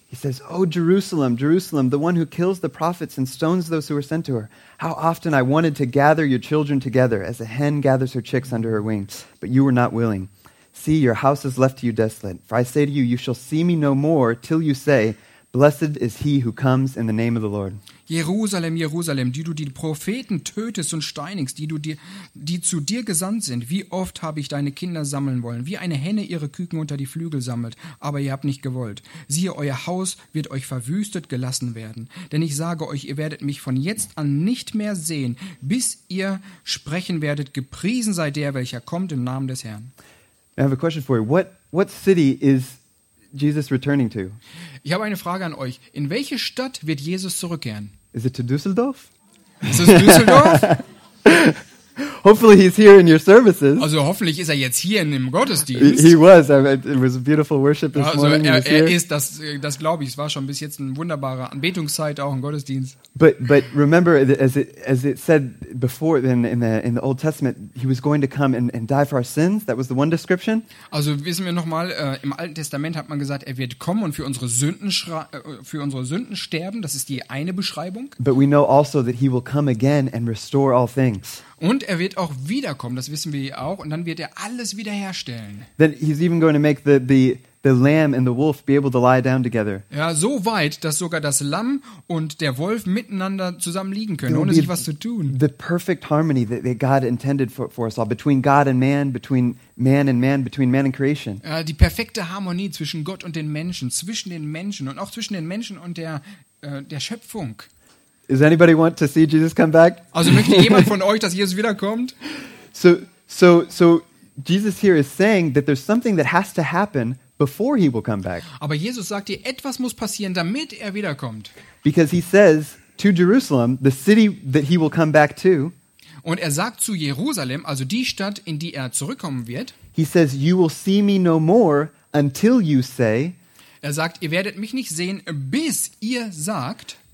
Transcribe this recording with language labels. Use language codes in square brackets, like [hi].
[en] He says, O Jerusalem, Jerusalem, the one who kills the prophets and stones those who were sent to her. How often I wanted to gather your children together, as a hen gathers her chicks under her wings, but you were not willing. See, your house is left to you desolate. For I say to you, you shall see me no more till you say, blessed is he who comes in the name of the Lord. [de] Jerusalem, Jerusalem, die du die Propheten tötest und steinigst, die zu dir gesandt sind, wie oft habe ich deine Kinder sammeln wollen, wie eine Henne ihre Küken unter die Flügel sammelt, aber ihr habt nicht gewollt. Siehe, euer Haus wird euch verwüstet gelassen werden, denn ich sage euch, ihr werdet mich von jetzt an nicht mehr sehen, bis ihr sprechen werdet, gepriesen sei der, welcher kommt im Namen des Herrn. [en] I have a question for you. What city is Jesus returning to? [de] Ich habe eine Frage an euch. In welche Stadt wird Jesus zurückkehren? [en] Is it to Düsseldorf? [de] Ist es Düsseldorf? [en] Hopefully he's here in your services. [de] Also hoffentlich ist er jetzt hier in dem Gottesdienst. [en] He was. It was a beautiful worship this [de] also [en] morning. [de] Also er ist, das glaube ich. Es war schon bis jetzt eine wunderbare Anbetungszeit auch im Gottesdienst. [en] But remember, as it said before in the Old Testament, he was going to come and die for our sins. That was the one description. [de] Also wissen wir nochmal, im Alten Testament hat man gesagt, er wird kommen und für unsere Sünden sterben. Das ist die eine Beschreibung. [en] But we know also that he will come again and restore all things. [de] Und er wird auch wiederkommen, das wissen wir auch, und dann wird er alles wiederherstellen. [en] Then he's even going to make the lamb and the wolf be able to lie down together. [de] Ja, so weit, dass sogar das Lamm und der Wolf miteinander zusammen liegen können, ohne sich was zu tun. [en] The perfect harmony that God intended for us all, between God and man, between man and man, between man and creation. [de] Ja, die perfekte Harmonie zwischen Gott und den Menschen, zwischen den Menschen und auch zwischen den Menschen und der Schöpfung. [en] Does anybody want to see Jesus come back? [de] Also möchte jemand von euch, dass Jesus wiederkommt? [en] So Jesus here is saying that there's something that has to happen before he will come back. [de] Aber Jesus sagt dir, etwas muss passieren, damit er wiederkommt. [en] Because he says to Jerusalem, the city that he will come back to. [de] Und er sagt zu Jerusalem, also die Stadt, in die er zurückkommen wird. [en] He says, you will see me no more until you say. [de] Er sagt, ihr werdet mich nicht sehen, bis ihr sagt.